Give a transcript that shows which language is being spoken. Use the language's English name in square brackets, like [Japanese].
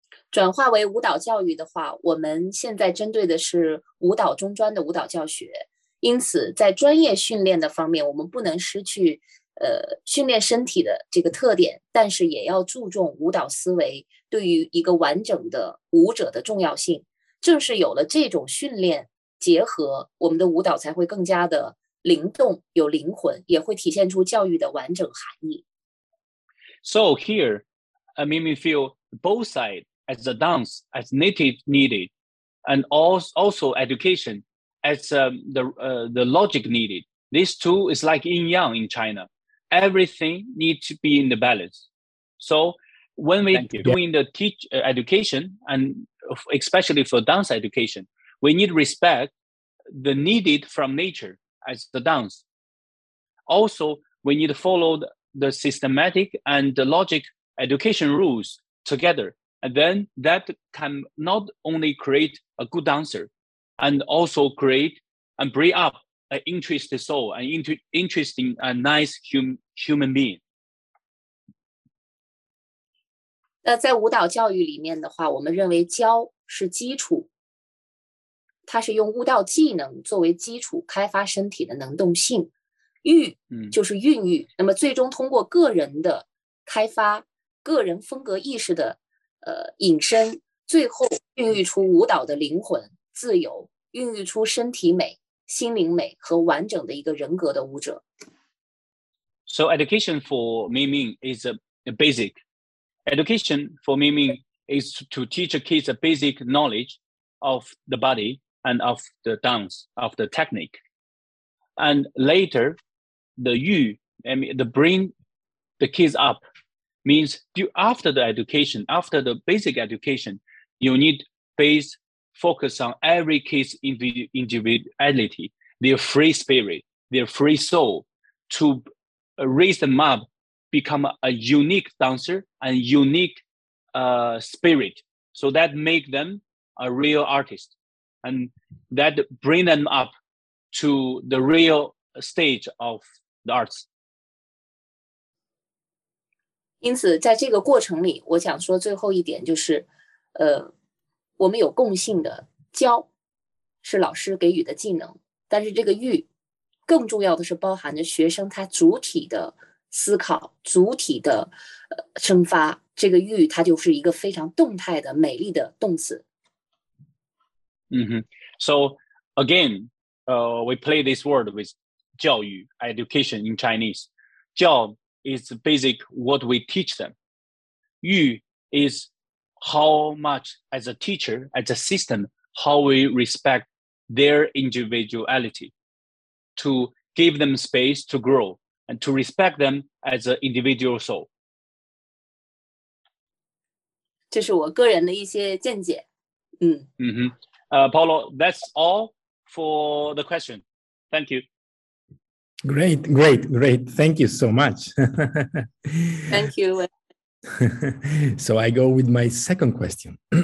[Chinese] 转化为舞蹈教育的话，我们现在针对的是舞蹈中专的舞蹈教学，因此在专业训练的方面，我们不能失去训练身体的这个特点，但是也要注重舞蹈思维对于一个完整的舞者的重要性。正是有了这种训练结合，我们的舞蹈才会更加的灵动有灵魂，也会体现出教育的完整含义。 [English] So here, I made me feel both sides as the dance as native needed and also education as the logic needed. These two is like yin yang in China. Everything needs to be in the balance. SoWhen we're doing the education, and especially for dance education, we need respect the needed from nature as the dance. Also, we need to follow the systematic and the logic education rules together. And then that can not only create a good answer and also create and bring up an interesting soul, an interesting and nice human being. [Chinese] 那在舞蹈教育里面的话，我们认为教是基础，它是用舞蹈技能作为基础开发身体的能动性，育就是孕育，那么最终通过个人的开发，个人风格意识的引申，最后孕育出舞蹈的灵魂，自由，孕育出身体美、心灵美和完整的一个人格的舞者。 [English] So education for Mingming is a basic. Education for Mingming is to teach kids a basic knowledge of the body and of the dance, of the technique. And later, the bring the kids up means after the education, after the basic education, you need base focus on every kid's individuality, their free spirit, their free soul to raise them up. Become a unique dancer and unique spirit. So that make them a real artist. And that bring them up to the real stage of the arts. [Chinese] 因此在这个过程里我想说最后一点就是我们有共性的教是老师给予的技能。但是这个育更重要的是包含着学生他主体的思考主体的生发，这个育它就是一个非常动态的美丽的动词。 Mm-hmm. [English] So again, we play this word with 教育 education in Chinese. 教 is basic what we teach them. 育 is how much as a teacher, as a system, how we respect their individuality to give them space to grow. And to respect them as an individual soul. [Chinese] 这是我个人的一些见解。 [English] Paulo, that's all for the question. Thank you. Great, great, great. Thank you so much. Thank you. So I go with my second question.